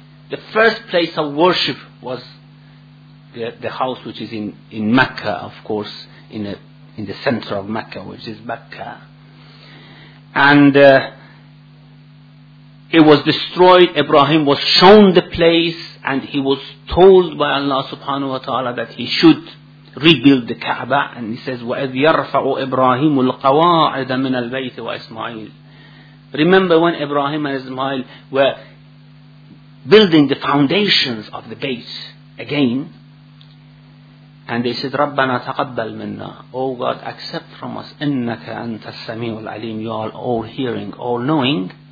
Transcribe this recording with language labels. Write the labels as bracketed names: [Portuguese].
[English] The first place of worship was the house which is in Mecca, of course, in the center of Mecca, which is Mecca. And it was destroyed. Ibrahim was shown the place, and he was told by Allah subhanahu wa ta'ala that he should rebuild the Kaaba. And he says, [Arabic] وَإِذْ يَرْفَعُ إِبْرَاهِيمُ الْقَوَاعِدَ مِنَ الْبَيْتِ وَإِسْمَعِيلِ. [English] Remember when Ibrahim and Ismail were building the foundations of the base again, and they said, [Arabic] رَبَّنَا تَقَبَّلْ مِنَّا, [English] O God, accept from us, [Arabic] إِنَّكَ أَنْتَ السَّمِيعُ الْعَلِيمُ, [English] you are all-hearing, all-knowing.